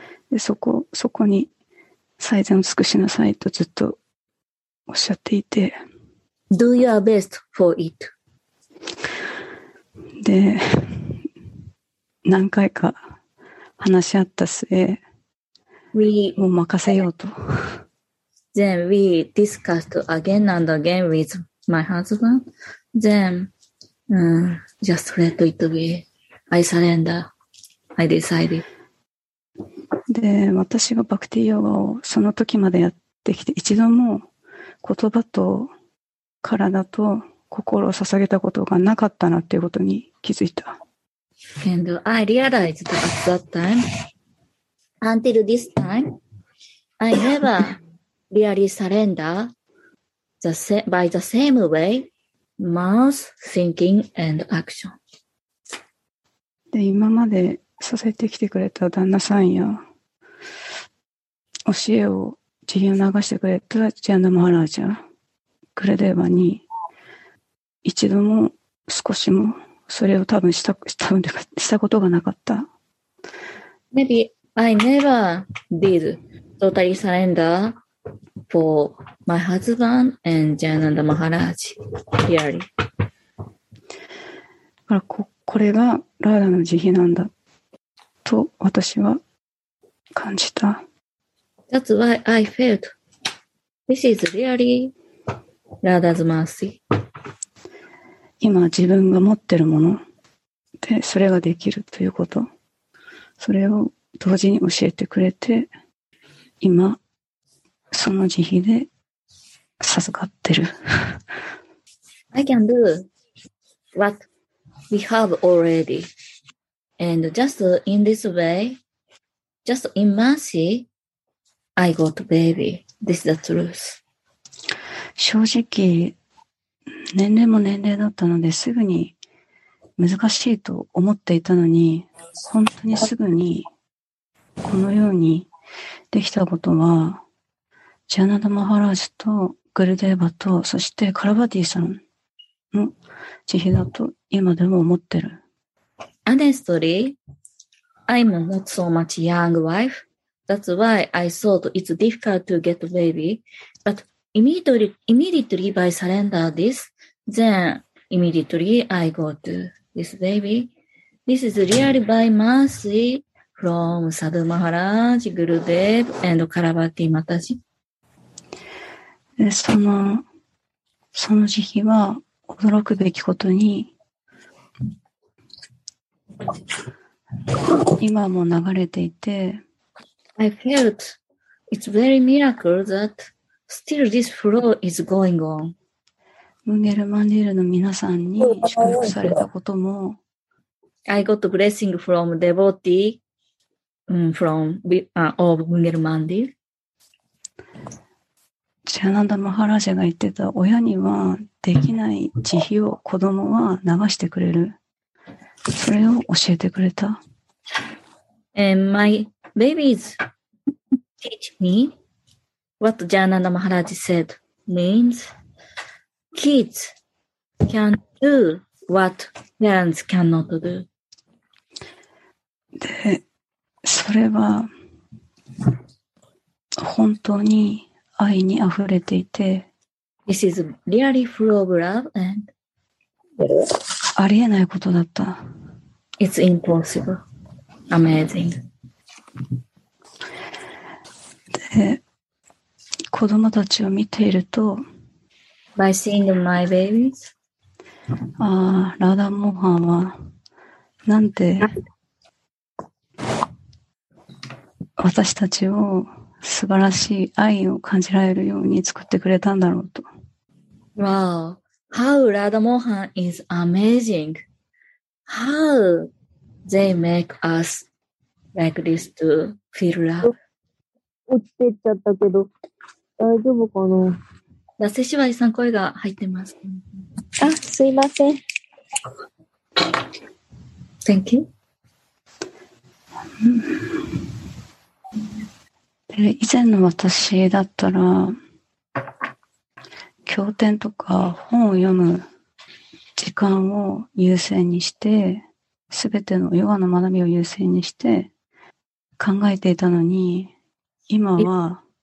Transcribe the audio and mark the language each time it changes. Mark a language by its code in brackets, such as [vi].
[ja] で、そこに最善を尽くしなさいとずっとおっしゃっていて。 [en] Do your best for it. [ja] で、何回か話し合った末、もう任せようと。 [en] Then we discussed again and again with my husband. Then, just let it be. I surrender. I decided. [ja] で、私がバクティヨガをその時までやってきて、一度も言葉と体と心を捧げたことがなかったなっていうことに気づいた。 [en] And I realized at that time, until this time, I never really surrender by the same way, mouth, thinking, and action. [ja] で、今まで支えてきてくれた旦那さんや教えを慈悲を流してくれたジャンダマハラージャクレデーバに一度も少しもそれを多分したことがなかった。 [en] Maybe I never did totally surrender for my husband and ジャンダマハラージャ really [ja] だからこれがラーダの慈悲なんだと私は感じた。 [en] That's why I felt this is really Radha's mercy. [ja] 今自分が持ってるものでそれができるということ、それを同時に教えてくれて、今その慈悲で授かってる。 [en] I can do what? We have already. And just in this way, just in mercy, I got baby. This is the truth. [ja] 正直、年齢も年齢だったのですぐに難しいと思っていたのに、本当にすぐにこのようにできたことは、ジャナダ・マハラジとグルデーバと、そしてカラバティさん、慈悲だと今でも思ってる。 [en] Honestly, I'm not so much young wife. That's why I thought it's difficult to get a baby. But immediately by surrender this, then immediately I got this baby. This is really by mercy from Sadhu Maharaj, Gurudev, and Karabati Mataji. [ja] その慈悲は驚くべきことに今も流れていて、 [en] I felt it's very miracle that still this flow is going on. [ja] ムンゲルマンディルの皆さんに祝福されたことも、 [en] I got blessing from devotee from of ムンゲルマンディル。 [ja] ジャナンダ・マハラジャが言ってた、親にはできない慈悲を子供は流してくれる、それを教えてくれた。 [en] And my babies teach me what ジャナンダ・マハラジ said means kids can do what parents cannot do. [ja] で、それは本当に愛にあふれていて、 [en] This is really full of love and [ja] ありえないことだった。 [en] It's impossible. Amazing. [ja] で、子供たちを見ていると、 [en] By seeing my babies, [ja] ああ、ラダモーハンは、なんて、私たちを素晴らしい愛を感じられるように作ってくれたんだろうと。 [en] Wow, how Radha Mohan is amazing. How they make us like this to feel love. [ja] 落ちてっちゃったけど、大丈夫かな？ラセシワイさん声が入ってます。あ、すいません。 [en] Thank you. [ja] で、以前の私だったら、経典とか本を読む時間を優先にして、すべてのヨガの学びを優先にして考えていたのに、今は。